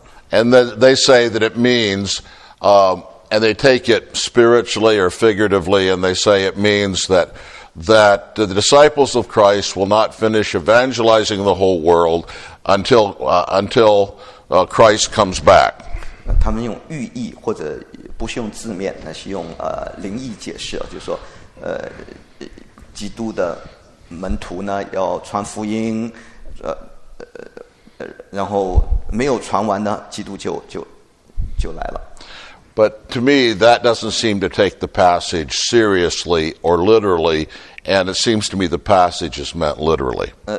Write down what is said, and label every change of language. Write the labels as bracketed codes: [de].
[en] and they say that it means, and they take it spiritually or figuratively, and they say it means that that the disciples of Christ will not finish evangelizing the whole world until Christ comes back. [zh] 他们用寓意或者不是用字面，那是用灵异解释，就是说，基督的门徒呢要传福音，然后没有传完呢，基督就来了。But [en] to me, that doesn't seem to take the passage seriously or literally, and it seems to me the passage is meant literally.